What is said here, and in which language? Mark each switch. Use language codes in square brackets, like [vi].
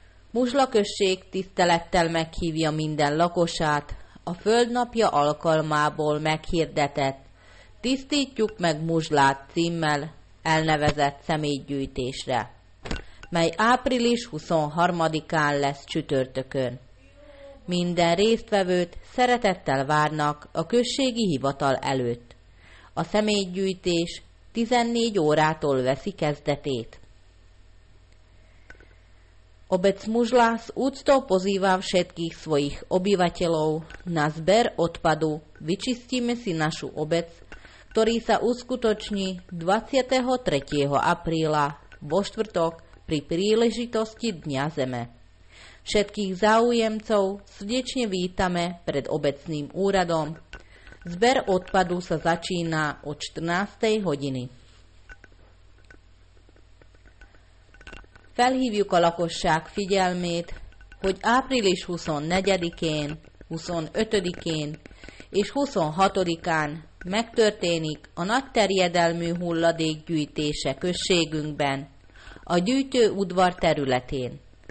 [hu] Muzslaközség tisztelettel meghívja minden lakosát a földnapja alkalmából meghirdetett Tisztítjuk meg Muzslát címmel elnevezett személygyűjtésre, mely április 23-án lesz csütörtökön. Minden résztvevőt szeretettel várnak a községi hivatal előtt. A személygyűjtés 14 órától veszi kezdetét. [sk] Obec Muzsla s úctou pozývá všetkých svojich obyvateľov na zber odpadu Vyčistíme si našu obec, ktorý sa uskutoční 23. apríla vo štvrtok pri príležitosti Dňa Zeme. Všetkých záujemcov srdečne vítame pred obecným úradom. Zber odpadu sa začína od 14. hodiny. [hu] Felhívjuk a lakosság figyelmét, hogy április 24-én, 25-én és 26-án megtörténik a nagy terjedelmű hulladék gyűjtése községünkben, a gyűjtő udvar területén.